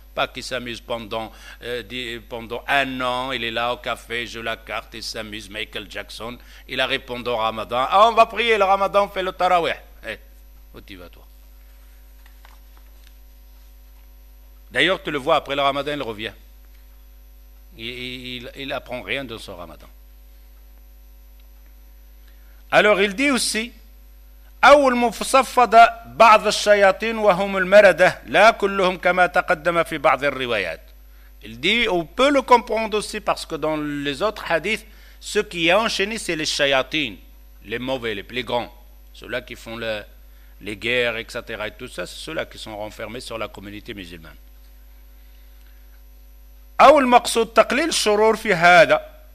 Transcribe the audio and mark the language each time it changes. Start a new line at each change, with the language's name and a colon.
French: Pas qui s'amuse pendant un an, il est là au café, il joue la carte, il s'amuse, Michael Jackson, il a répondu au ramadan, « Ah, on va prier le ramadan, fais le taraweh. » Où tu vas, toi? D'ailleurs, tu le vois, après le ramadan, il revient. Il apprend rien de son ramadan.
Arabic: Alors, il dit aussi, أول مفصفد بعض الشياطين وهم المردة لا كلهم كما تقدم في بعض الروايات.
French: Il dit, on peut le comprendre aussi parce que dans les autres hadiths, ce qui est enchaîné, c'est les shayatin, les mauvais, les plus grands, ceux-là qui font les guerres, etc. Et tout ça, c'est ceux-là qui sont renfermés sur la communauté musulmane.
Arabic: أو المقصود تقليل الشرور في هذا.